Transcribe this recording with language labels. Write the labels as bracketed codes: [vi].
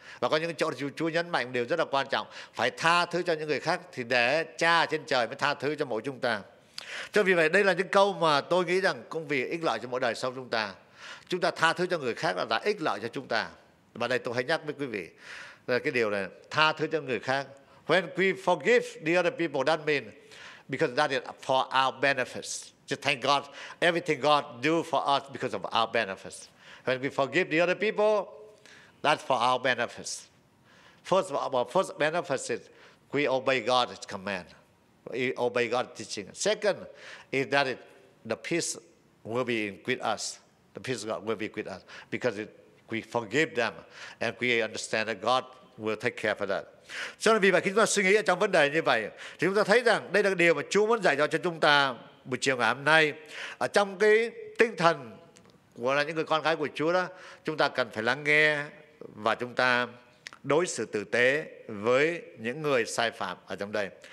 [vi] Và có những chỗ Chúa nhấn mạnh một điều rất là quan trọng, phải tha thứ cho những người khác thì để Cha trên trời mới tha thứ cho mỗi chúng ta. Cho vì vậy đây là những câu mà tôi nghĩ rằng cũng vì ích lợi cho mỗi đời sau chúng ta. Chúng ta tha thứ cho người khác là đã ích lợi cho chúng ta. Và đây tôi hãy nhắc với quý vị là cái điều này, tha thứ cho người khác. [en] When we forgive the other people, that means because that is for our benefits. Just thank God, everything God do for us because of our benefits. When we forgive the other people, that's for our benefits. First of all, our first benefit is we obey God's command. We obey God's teaching. Second is that the peace will be with us. The peace of God will be with us because we forgive them and we understand that God will take care for that. [vi] Cho nên vì vậy khi chúng ta suy nghĩ ở trong vấn đề như vậy, thì chúng ta thấy rằng đây là điều mà Chúa muốn dạy cho chúng ta buổi chiều ngày hôm nay. Ở trong cái tinh thần của là những người con gái của Chúa đó, chúng ta cần phải lắng nghe và chúng ta đối xử tử tế với những người sai phạm ở trong đây.